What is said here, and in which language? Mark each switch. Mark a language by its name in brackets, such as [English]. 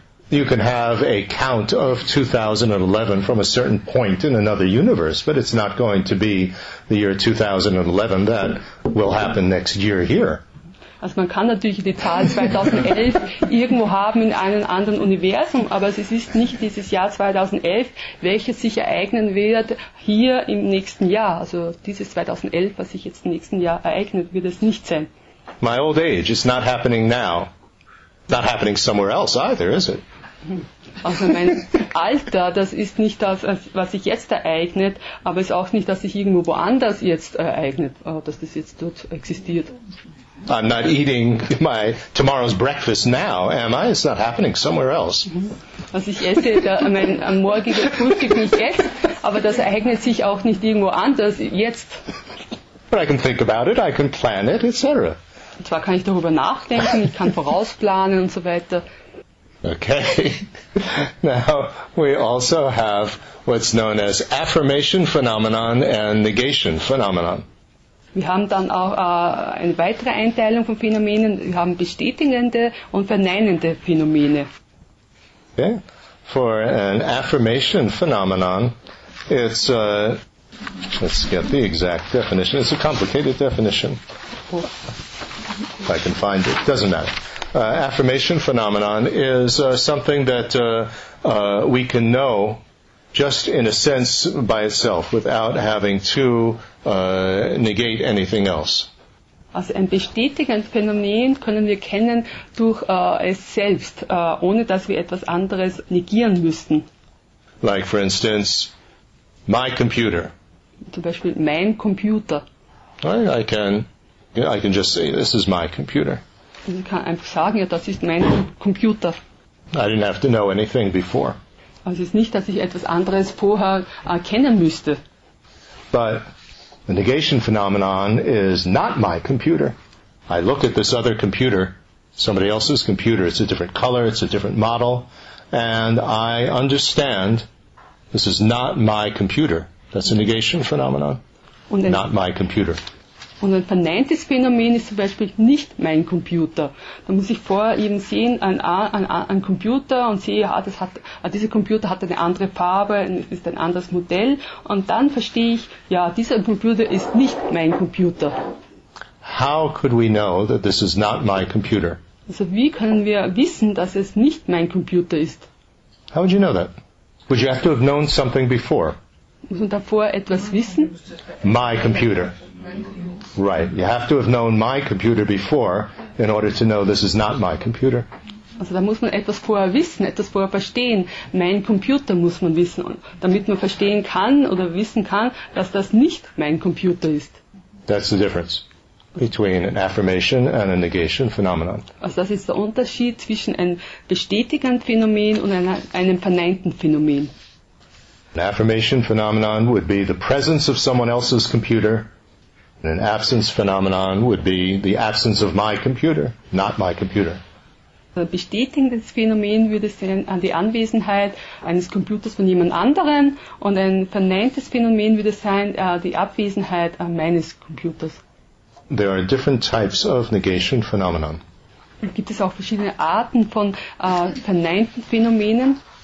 [English] You can have a count of 2011 from a certain point in another universe, but it's not going to be the year 2011 that will happen next year here. [German] Also man kann natürlich die Zahl 2011 irgendwo haben in einem anderen Universum, aber es ist nicht dieses Jahr 2011, welches sich ereignen wird hier im nächsten Jahr. Also dieses 2011, was sich jetzt im nächsten Jahr ereignet, wird es nicht sein. [English] My old age is not happening now. Not happening somewhere else either, is it? [German] Also mein Alter, das ist nicht das, was sich jetzt ereignet, aber es ist auch nicht, dass sich irgendwo woanders jetzt ereignet, dass das jetzt dort existiert. [English] I'm not eating my tomorrow's breakfast now, am I? It's not happening somewhere else. [German] Also ich esse mein morgiges Frühstück nicht jetzt, aber das ereignet sich auch nicht irgendwo anders jetzt. [English] But I can think about it, I can plan it, etc. [German] Und zwar kann ich darüber nachdenken, ich kann vorausplanen und so weiter. [English] Okay. Now we also have what's known as affirmation phenomenon and negation phenomenon. [German] Wir haben dann auch eine weitere Einteilung von Phänomenen. Wir haben bestätigende und verneinende Phänomene. [English] Okay. For an affirmation phenomenon, it's let's get the exact definition. It's a complicated definition. if I can find it, doesn't matter. Affirmation phenomenon is something that we can know just in a sense by itself without having to negate anything else. [German] Also ein bestätigendes Phänomen können wir kennen durch es selbst, ohne dass wir etwas anderes negieren müssten. [English] Like for instance, my computer. [German] Zum Beispiel mein Computer. [English] I can just say this is my computer. [German] Ich kann einfach sagen, ja, das ist mein Computer. [English] I didn't have to know anything before. [German] Also es ist nicht, dass ich etwas anderes vorher kennen müsste. [English] But the negation phenomenon is not my computer. I look at this other computer, somebody else's computer. It's a different color, it's a different model, and I understand this is not my computer. That's a negation phenomenon. Not my computer. [German] Und ein verneintes Phänomen ist zum Beispiel nicht mein Computer. Da muss ich vorher eben sehen, ein Computer und sehe, ja, dieser Computer hat eine andere Farbe, es ist ein anderes Modell. Und dann verstehe ich, ja, dieser Computer ist nicht mein Computer. [English] How could we know that this is not my computer? [German] Also wie können wir wissen, dass es nicht mein Computer ist? [English] How would you know that? Would you have to have known something before? [German] Muss man davor etwas wissen? [English] My computer. Right. You have to have known my computer before in order to know this is not my computer. [German] Also da muss man etwas vorher wissen, etwas vorher verstehen. Mein Computer muss man wissen, damit man verstehen kann oder wissen kann, dass das nicht mein Computer ist. [English] That's the difference between an affirmation and a negation phenomenon. [German] Also das ist der Unterschied zwischen einem bestätigenden Phänomen und einem verneinten Phänomen. [English] An affirmation phenomenon would be the presence of someone else's computer. And an absence phenomenon would be the absence of my computer, not my computer. [German] Ein bestätigendes Phänomen würde sein an die Anwesenheit eines Computers von jemand anderen und ein verneintes Phänomen würde sein die Abwesenheit meines Computers. [English] There are different types of negation phenomenon. [German] Gibt es auch verschiedene Arten von verneinten Phänomenen?